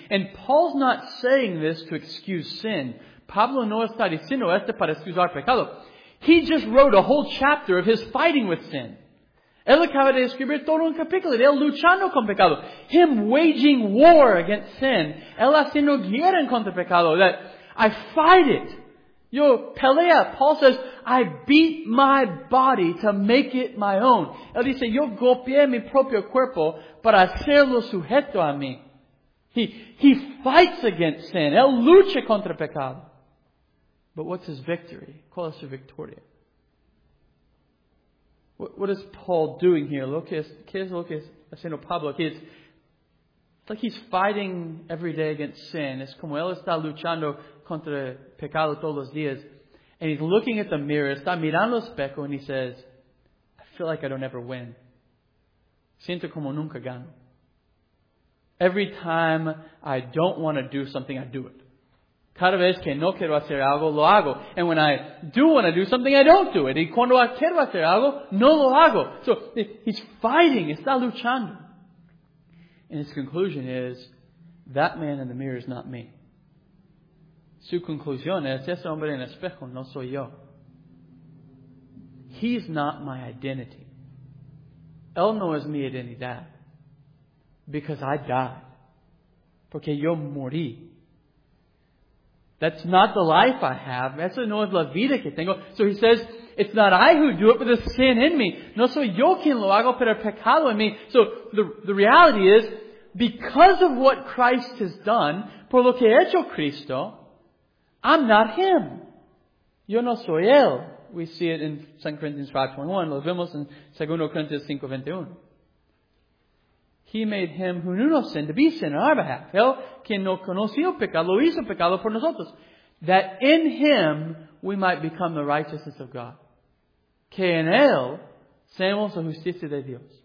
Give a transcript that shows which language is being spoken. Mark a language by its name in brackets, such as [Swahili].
[English] And Paul's not saying this to excuse sin. [Spanish] Pablo no está diciendo esto para excusar pecado. [English] He just wrote a whole chapter of his fighting with sin. [Spanish] Él acaba de escribir todo un capítulo de él luchando con pecado. [English] Him waging war against sin. [Spanish] Él haciendo guerra contra pecado. [English] That I fight it. [Spanish] Yo pelea. [English] Paul says, I beat my body to make it my own. [Spanish] Él dice, yo golpeé mi propio cuerpo para hacerlo sujeto a mí. [English] He fights against sin. [Spanish] Él lucha contra pecado. [English] But what's his victory? [Spanish] ¿Cuál es su victoria? [English] What is Paul doing here? [Spanish] ¿Qué es haciendo Pablo? [English] It's like he's fighting every day against sin. [Spanish] Es como él está luchando contra pecado todos los días. [English] And he's looking at the mirror, [Spanish] está mirando el espejo, [English] and he says, I feel like I don't ever win. [Spanish] Siento como nunca gano. [English] Every time I don't want to do something, I do it. [Spanish] Cada vez que no quiero hacer algo, lo hago. [English] And when I do want to do something, I don't do it. [Spanish] Y cuando quiero hacer algo, no lo hago. [English] So he's fighting, [Spanish] está luchando. [English] And his conclusion is, that man in the mirror is not me. [Spanish] Su conclusión es, ese hombre en el espejo no soy yo. [English] He's not my identity. [Spanish] Él no es mi identidad. [English] Because I died. [Spanish] Porque yo morí. [English] That's not the life I have. [Spanish] Eso no es la vida que tengo. [English] So he says, it's not I who do it, but the sin in me. [Spanish] No soy yo quien lo hago, pero el pecado en mí. [English] So the reality is, because of what Christ has done, [Spanish] por lo que ha hecho Cristo, [English] I'm not him. [Spanish] Yo no soy él. [English] We see it in 2 Corinthians 5:21. [Spanish] Lo vemos en 2 Corinthians 5:21. [English] He made him who knew no sin to be sin on our behalf. [Spanish] Él quien no conoció pecado, lo hizo pecado por nosotros. [English] That in him we might become the righteousness of God. [Spanish] Que en él seamos la justicia de Dios.